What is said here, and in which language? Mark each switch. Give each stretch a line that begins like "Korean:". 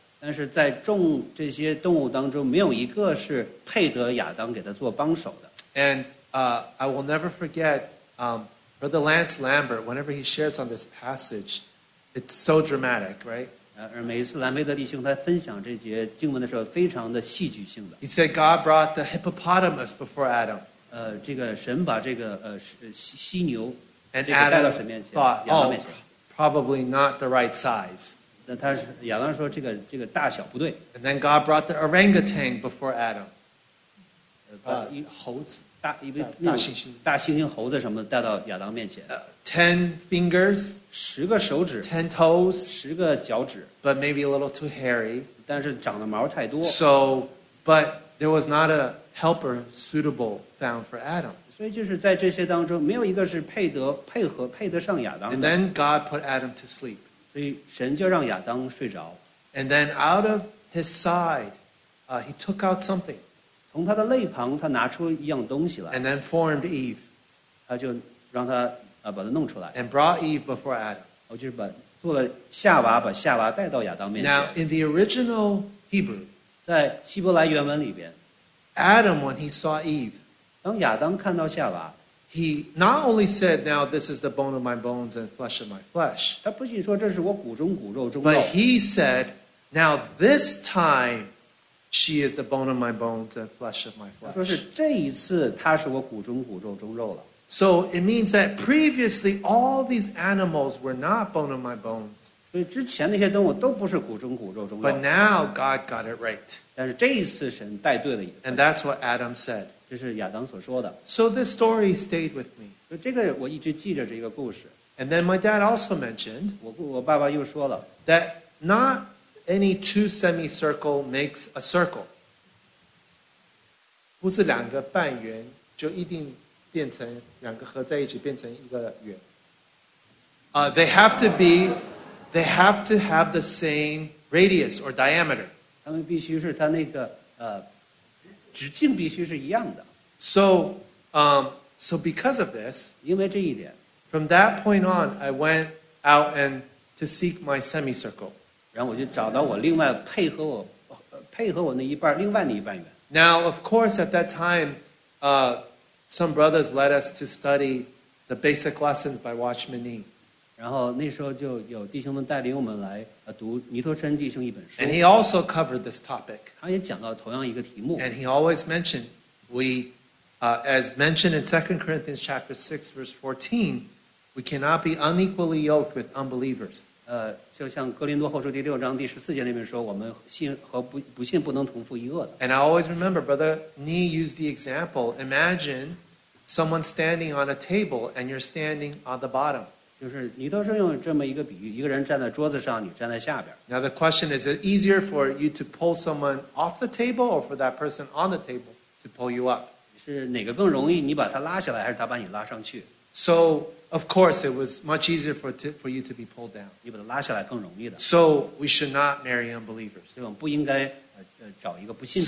Chinese: 但是在众这些动物当中，没有一个是配得亚当给他做帮手的。
English: And I will never forget Brother Lance Lambert. Whenever he shares on this passage, it's so dramatic, right?
Chinese: 而每一次兰贝德弟兄他分享这节经文的时候，非常的戏剧性的。
English: He said God brought the hippopotamus before Adam.
Chinese: 这个神把这个犀牛
English: and
Chinese: 这个带到神面前，亚当面前。
English: Oh, probably not the right size.
Chinese: 那他是亚当说这个大小不对。
English: And then God brought the orangutan before Adam.
Chinese: 猴子大猩猩大猩猩猴子什么带到亚当面前。
English: Ten fingers
Chinese: 十个手指。
English: Ten toes
Chinese: 十个脚趾。
English: But maybe a little too hairy.
Chinese: 但是长的毛太多。
English: So, but there was not a helper suitable found for Adam.
Chinese: 所以就是在这些当中没有一个是配得上亚当的。
English: And then God put Adam to sleep.
Chinese: 所以神就让亚当睡着。
English: And then out of his side, he took out something.
Chinese: 从他的肋旁他拿出一样东西来。
English: And then formed Eve.
Chinese: 他就让他把他弄出来。
English: And brought Eve before Adam.
Chinese: 就是做了夏娃把夏娃带到亚当面前。
English: Now in the original Hebrew,
Chinese: 在希伯来原文里边
English: Adam, when he saw Eve,
Chinese: 当亚当看到夏娃
English: He not only said, "Now this is the bone of my bones and flesh of my flesh."
Chinese: 他不仅说这是我骨中骨肉中肉。
English: But he said, "Now this time, she is the bone of my bones and flesh of my flesh."
Chinese: 说是这一次她是我骨中骨肉中肉了。
English: So it means that previously all these animals were not bone of my bones.
Chinese: 所以之前那些动物都不是骨中骨肉中肉。
English: But now God got it right.
Chinese: 但是这一次神带对了。
English: And that's what Adam said.
Chinese: 这是亚当所说的。
English: So this story stayed with me.
Chinese: 这个我一直记着这个故事。
English: And then my dad also mentioned,
Chinese: 我爸爸又说了
English: that not any two semicircle makes a circle.
Chinese: 不是两个半圆就一定变成两个合在一起变成一个圆。
English: They have to be They have to have the same radius or diameter.
Chinese: 它们必须是它那个直径必须是一样的。
English: So because of this,
Chinese: 因为这一点
English: from that point on, I went out and to seek my semicircle.
Chinese: 然后我就找到我另外配合我配合我那一半另外那一半圆。
English: Now, of course, at that time, some brothers led us to study the basic lessons by Watchman Nee.
Chinese: 然后那时候就有弟兄们带领我们来读尼托生弟兄一本书。
English: And he also covered this topic.
Chinese: 他也讲到同样一个题目。
English: And he always mentioned, as mentioned in 2 Corinthians chapter 6, verse 14, we cannot be unequally yoked with unbelievers.
Chinese: 就像哥林多后书第六章第十四节那边说，我们信和不信不能同负一轭的。
English: And I always remember Brother Nee used the example. Imagine someone standing on a table and you're standing on the bottom.
Chinese: 就是尼托生用这么一个比喻，一个人站在桌子上，你站在下边。
English: Now the question is it easier for you to pull someone off the table or for that person on the table to pull you up?
Chinese: 是哪个更容易，你把他拉下来还是他把你拉上去？
English: So, of course, it was much easier for you to be pulled down.
Chinese: 你把它拉下来更容易的。
English: So, we should not marry unbelievers.
Chinese: 所以我们不应该找一个不信的。